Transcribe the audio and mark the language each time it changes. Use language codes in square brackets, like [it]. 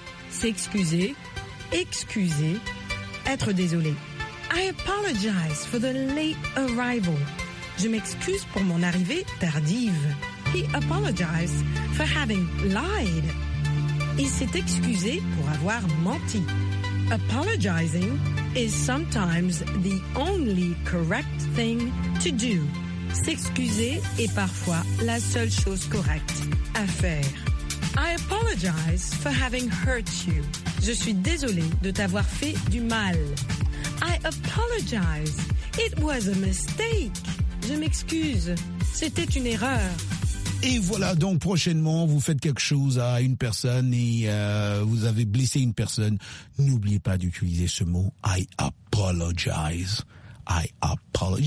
[fr] S'excuser, excuser, être désolé. [en] I apologize for the late arrival. [fr] Je m'excuse pour mon arrivée tardive. [en] He apologized for having lied. [fr] Il s'est excusé pour avoir menti. [en] Apologizing is sometimes the only correct thing to do. [fr] S'excuser est parfois la seule chose correcte à faire. [en] I apologize for having hurt you. [fr] Je suis désolé de t'avoir fait du mal. [en] I apologize. It was a mistake. [fr] Je m'excuse. C'était une erreur. Et voilà, donc prochainement, vous faites quelque chose à une personne et vous avez blessé une personne. N'oubliez pas d'utiliser ce mot. [en] I apologize. I apologize.